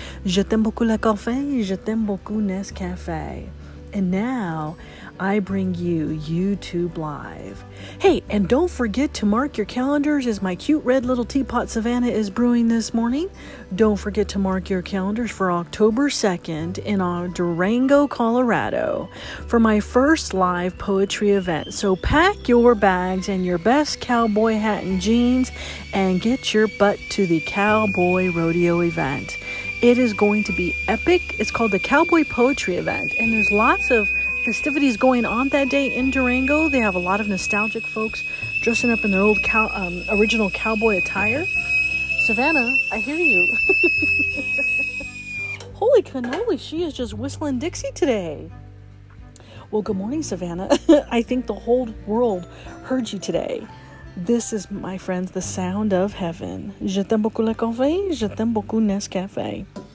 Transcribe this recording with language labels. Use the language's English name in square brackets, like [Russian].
[French] Je t'aime beaucoup le café, je t'aime beaucoup Nescafé. [English] And now I bring you YouTube Live. Hey, and don't forget to mark your calendars as my cute red little teapot Savannah is brewing this morning. Don't forget to mark your calendars for October 2nd in Durango, Colorado for my first live poetry event. So pack your bags and your best cowboy hat and jeans and get your butt to the cowboy rodeo event. It is going to be epic. It's called the Cowboy Poetry Event, and there's lots of festivities going on that day in Durango. They have a lot of nostalgic folks dressing up in their old original cowboy attire. Savannah, I hear you. Holy cannoli, she is just whistling Dixie today. Well, good morning, Savannah. I think the whole world heard you today. This is, my friends, the sound of heaven. [French] Je t'aime beaucoup le café, je t'aime beaucoup Nescafé.